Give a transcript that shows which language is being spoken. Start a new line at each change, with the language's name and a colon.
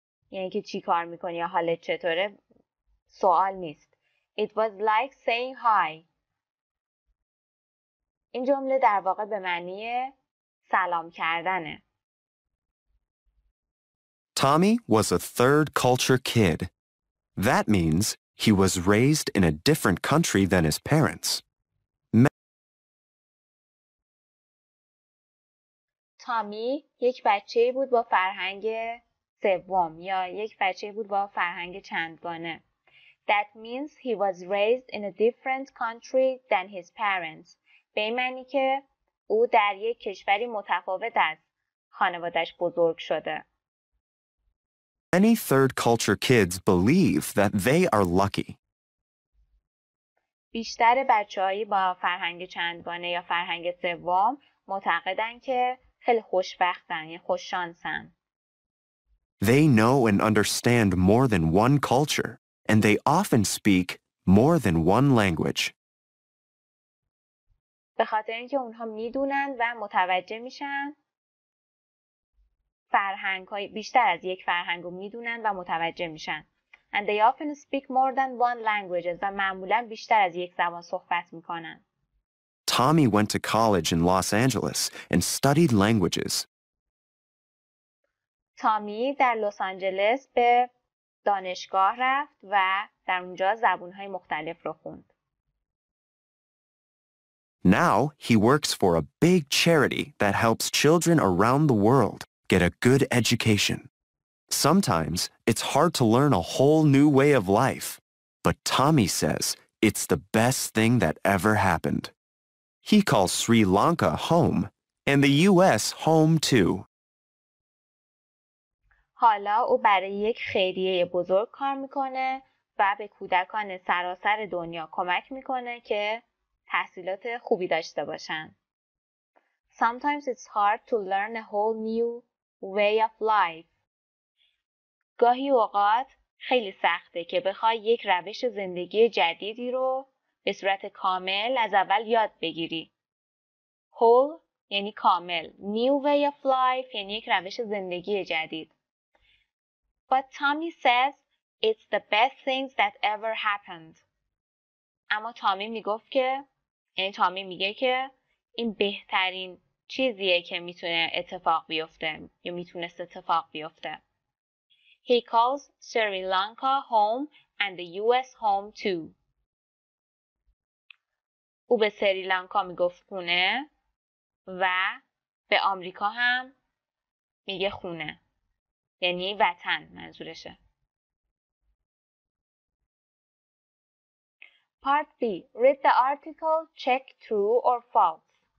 Persian: یعنی که چی کار میکنی یا حالت چطوره؟ سوال نیست.
English: It was like saying hi.
Persian: این جمله در واقع به معنی سلام کردنه.
English: Tommy was a third culture kid. That means he was raised in a different country than his parents.
Persian: تامی یک بچه بود با فرهنگ سوم یا یک بچه بود با فرهنگ چندگانه.
English: That means he was raised in a different country than his parents.
Persian: به این معنی که او در یک کشوری متفاوت از خانوادش بزرگ شده.
English: Many third culture kids believe that they are lucky.
Persian: بیشتر بچه‌هایی با فرهنگ چندگانه یا فرهنگ سوم معتقدند که خیلی خوشبختن، یعنی خوش شانسن.
English: They know and understand more than one culture and they often speak more than one language.
Persian: به خاطر اینکه اونها میدونن و متوجه میشن فرهنگ‌های بیشتر از یک فرهنگ رو میدونن و متوجه میشن.
English: And they often speak more than one languages
Persian: و معمولاً بیشتر از یک زبان صحبت میکنن.
English: Tommy went to college in Los Angeles and studied languages.
Persian: تامی در لس آنجلس به دانشگاه رفت و در اونجا زبان‌های مختلف رو خوند.
English: Now he works for a big charity that helps children around the world get a good education. Sometimes it's hard to learn a whole new way of life, but Tommy says it's the best thing that ever happened. He calls Sri Lanka home and the US home too.
Persian: حالا او برای یک خیریه بزرگ کار میکنه و به کودکان سراسر دنیا کمک میکنه که تحصیلات خوبی داشته باشن.
English: Sometimes it's hard to learn a whole new way of life.
Persian: گاهی اوقات خیلی سخته که بخوای یک روش زندگی جدیدی رو به صورت کامل از اول یاد بگیری. Whole یعنی کامل.
English: New way of life
Persian: یعنی یک روش زندگی جدید.
English: But Tommy says it's the best things that ever happened.
Persian: اما تامی میگفت که یعنی تامی میگه که این بهترین چیزیه که میتونه اتفاق بیفته یا میتونست اتفاق بیفته.
English: He calls Sri Lanka home and the US home too.
Persian: او به سریلانکا میگفت خونه و به آمریکا هم میگه خونه. یعنی وطن منظورشه.
English: Part B. Read the article, check true or false.